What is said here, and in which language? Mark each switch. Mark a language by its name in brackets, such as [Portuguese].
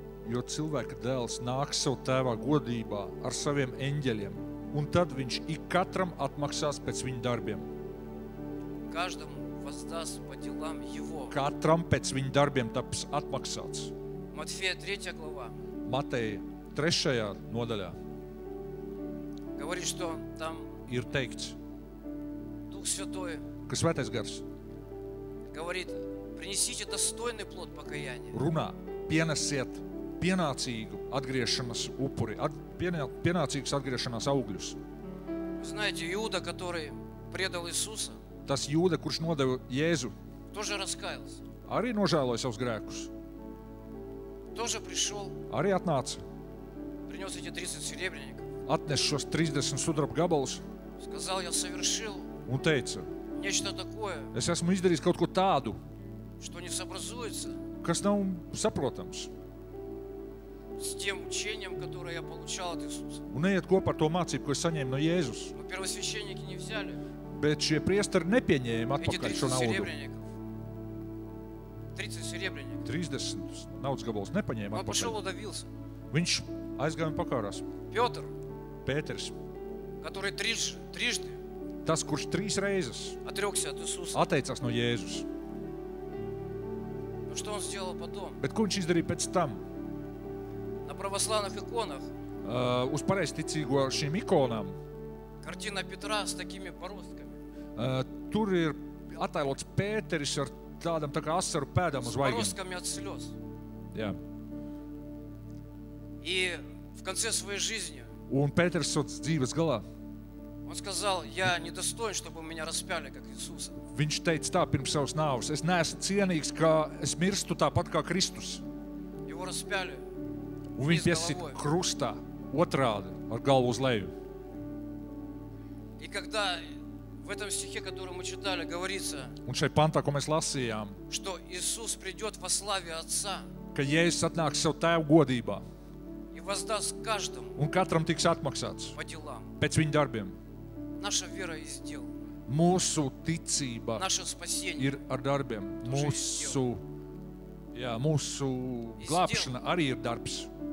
[Latvian] Jo cilvēka dēls nāks savu tēvā godībā ar saviem eņģeļiem, un tad viņš ik katram atmaksās pēc viņa darbiem. [Russian] Каждому воздаст по делам его. [Latvian] Katram pēc viņa darbiem taps atmaksāts. [Russian] Matfeja 3. Глава. [Latvian] Mateja 3. Nodaļā. [Russian] Говорит, что там [Latvian] ir teikts. [Russian] Дух Святой. [Latvian] Ka Svētais Gars. [Russian] Говорит: "Принесите достойный плод покаяния". [Latvian] Runā: "Pienesiet pienācīgu atgriešanas upuri, pienācīgas atgriešanās augļus". [Russian] Вы знаете, Иуда, который предал Иисуса, [Latvian] tas Jūda, kurš nodeva Jēzu, [Russian] тоже раскаялся. [Latvian] Arī nožēloja savus grēkus. [Russian] Тоже пришёл. [Latvian] Arī atnāca. [Russian] Принёс эти 30 серебряников. [Latvian] Atnes šos 30 sudraba gabalus. [Russian] Сказал: "Я совершил". [Latvian] Un teica: [Russian] "Нечто такое". [Latvian] Es esmu izdarījis kaut ko tādu, [Russian] что не сообразуется. [Latvian] Kas nav saprotams. [Russian] С тем учением, которое я получал от Иисуса. [Latvian] Un neiet kopā ar to mācību, ko es saņēmu no Jēzus. [Russian] Но первосвященники не взяли. [Latvian] Bet šie priesteri nepieņēma atpakaļ šo naudu. [Russian] 30 serebrenikov. [Latvian] 30 naudas gabals nepaņēma atpakaļ. Viņš aizgāja un pakārās. [Russian] Piotr. [Latvian] Pēters. [Russian] Который трижды. [Latvian] Tas, kurš trīs reizes [Russian] atrekся от Иисуса. [Latvian] Atteicās no Jēzus. [Russian] Но что он сделал потом? [Latvian] Bet ko viņš izdarīja pēc tam? [Russian] На православных иконах. [Latvian] Uz pareizticīgo šīm ikonām. [Russian] Картина Петра с такими бороздками. [Latvian] Tur ir attēlots Pēteris ar tādam tā kā asaru pēdām uz vaigiem. [Russian] Бороздками от слёз. [Latvian] Jā. [Russian] И в конце своей жизни. [Latvian] Un Pēters dzīves galā. [Russian] Он сказал: "Я недостоин, чтобы меня распяли, как Иисуса". [Latvian] Viņš teica tā pirms savas nāves: "Es neesmu cienīgs, ka es mirstu tāpat kā Kristus". [Russian] Его распяли. [Latvian] Un viņš piesit krustā otrādi ar galvu uz leju. [Russian] И когда в этом стихе, который мы читали, говорится, [Latvian] un šai pantā, ko mēs lasījām, [Russian] что Иисус придет во славе Отца, [Latvian] ka Jēzus atnāks savu tēvu godībā, [Russian] и воздаст каждому, [Latvian] un katram tiks atmaksāts, [Russian] по делам, [Latvian] pēc viņa darbiem, [Russian] наша вера и дел, [Latvian] mūsu ticība, [Russian] наше спасение, [Latvian] ir ar darbiem, mūsu, jā, mūsu glābšana arī ir darbs,